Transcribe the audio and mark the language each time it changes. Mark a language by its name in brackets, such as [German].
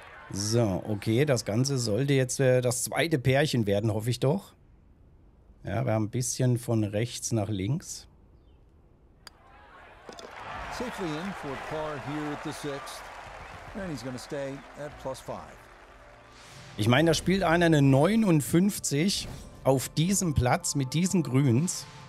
[German] So, okay, das Ganze sollte jetzt das zweite Pärchen werden, hoffe ich doch. Ja, wir haben ein bisschen von rechts nach links. [English] safely in for par here at the sixth, and he's going to stay at plus five. [German] Ich meine, da spielt einer eine 59 auf diesem Platz mit diesen Grüns.